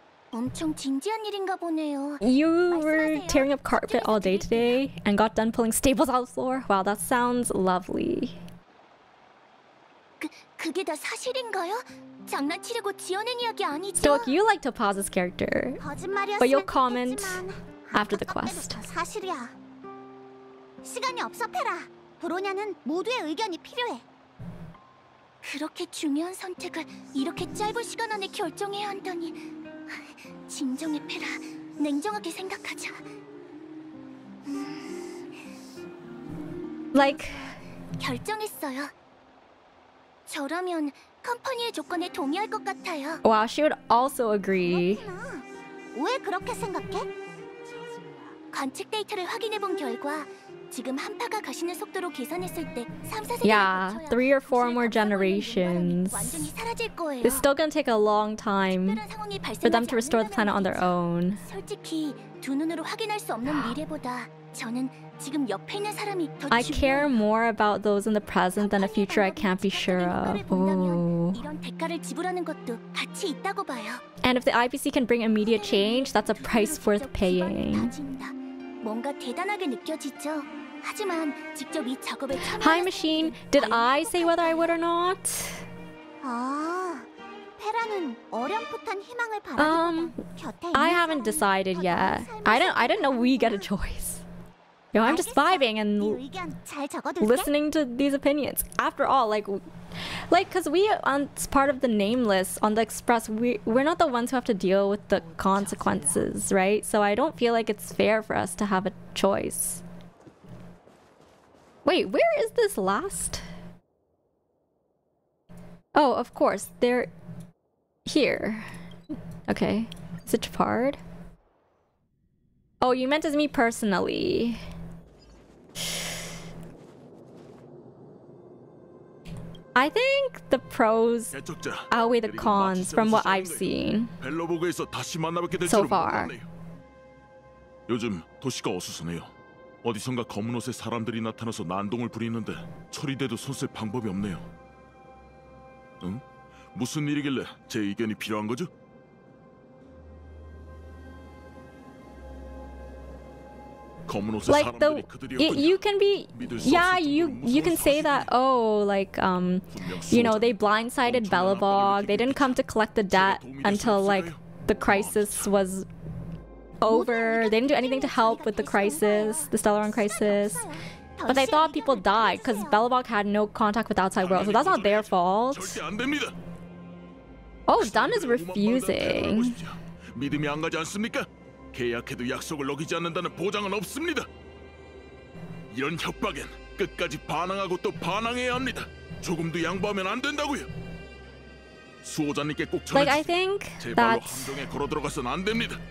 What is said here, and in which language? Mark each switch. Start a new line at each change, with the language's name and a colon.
Korean: 엄청 진지한 일인가 보네요.
English: You were tearing up carpet all day today and got done pulling staples out of the floor. Wow, that sounds lovely.
Korean: 그게 다 사실인가요? 장난치려고 지어낸 이야기 아니죠?
English: Doc, you like Topaz's character, but you'll comment after the quest.
Korean: 사실이야. 시간이 없어 페라. 브로냐는 모두의 의견이 필요해. 그렇게 중요한 선택을 이렇게 짧은 시간 안에 결정해야 한다니. 진정해 페라. 냉정하게 생각하자.
English: Like
Korean: 결정했어요. 저라면 컴퍼니의 조건에 동의할 것 같아요.
English: Wow, she would also agree.
Korean: 왜 그렇게 생각해? 관측 데이터를 확인해 본 결과 지금 한파가 가시는 속도로 계산했을 때
English: 3, 4 more generations. It's still gonna take a long time for them to restore the planet on their own.
Korean: 솔직히 두 눈으로 확인할 수 없는 미래보다 저는 지금 옆에 있는 사람이 더
English: I care more about those in the present than a future I can't be sure of.
Korean: 이런 대가를 지불하는 것도 가치 있다고 봐요.
English: And if the IPC can bring immediate change, that's a price worth paying.
Korean: 뭔가 대단하게 느껴지죠. 하지만 직접 이 작업에
English: Hi machine, did I say whether I would or not?
Korean: 아, 페라는 어렴풋한 희망을 바라보다
English: I haven't decided yet. I didn't know we get a choice. You know, I'm just vibing and listening to these opinions. After all, like, because we, on part of the nameless, on the express, we're not the ones who have to deal with the consequences, right? So I don't feel like it's fair for us to have a choice. Wait, where is this last? Oh, of course, they're here. Okay, is it Jafard? Oh, you meant as me personally. I think the pros outweigh the cons from what I've seen so far.
Korean: 요즘 도시가 어수선해요. 어디선가 검은 옷의 사람들이 나타나서 난동을 부리는데 처리돼도 손쓸 방법이 없네요. 응? 무슨 일이길래 제 의견이 필요한 거죠? 검은 옷의 사람들이
English: you can be yeah you can say that oh like you know they blindsided Belobog they didn't come to collect the debt until like the crisis was over they didn't do anything to help with the crisis the Stellaron crisis but they thought people died cuz Belobog had no contact with the outside world so that's not their fault oh Dunn is refusing
Korean: 믿음이 안 가지 않습니까? 계약해도 약속을 어기지 않는다는 보장은 없습니다. 이런 협박엔 끝까지 반항하고 또 반항해야 합니다. 조금도 양보하면 안 된다고요. 수호자님께 꼭 전해 주세요.
English: Like I think that
Korean: 제발로 함정에 걸어 들어가선 안 됩니다.